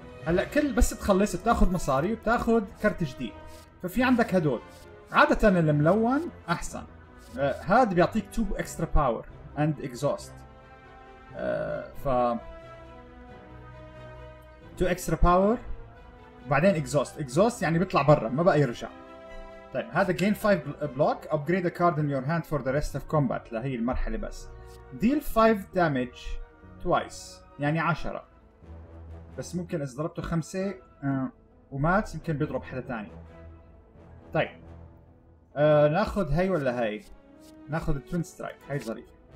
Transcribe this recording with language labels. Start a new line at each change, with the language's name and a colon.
Arabic: هلا كل بس تخلص بتاخذ مصاري وبتاخذ كرت جديد، ففي عندك هدول عاده الملون احسن. هذا بيعطيك 2 اكسترا باور اند اكزوست، ف 2 اكسترا باور بعدين اكزوست. اكزوست يعني بيطلع برا ما بقى يرجع.
English: طيب هذا gain 5 block, upgrade a card in your hand for the rest of combat
Arabic: لهي المرحلة بس.
English: deal 5 damage twice
Arabic: يعني 10، بس ممكن اذا ضربته 5 ومات يمكن بيضرب حدا تاني. طيب ناخد هاي ولا هاي؟ ناخد twin strike، هاي ظريف.